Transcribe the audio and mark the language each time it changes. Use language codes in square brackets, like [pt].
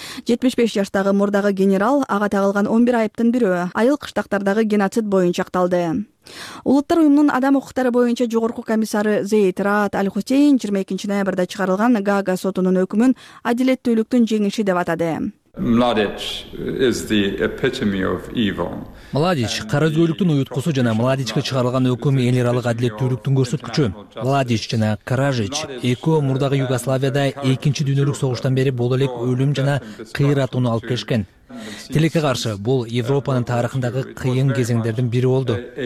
[ky] 75 жаштагы мурдагы генерал ага тагылган 11 айыптын бирөө айыл кыштактардагы геноцид боюнча акталды. Улуттар уюмунун адам укуктары боюнча жогорку комиссары Зейд Раат Аль-Хусейн 22 ноябрда чыгарылган Гаага сотунун өкүмүн адилеттүүлүктүн жеңиши деп атады. [en] Младич is the epitome of evil. [ky] Младич каразгөйлүктүн уюткусу жана Младичке чыгарылган өкүм эл аралык адилеттүүлүктүн көрсөткүчү. Младич жана Каражич экөө мурдагы Югославияда 2-Дүйнө дүйнөлүк согуштан бери боло элек өлүм жана кыйратууну алып келишкен. Тилекке каршы, бул Европанын тарыхындагы кыйын кезеңдердин бири болду.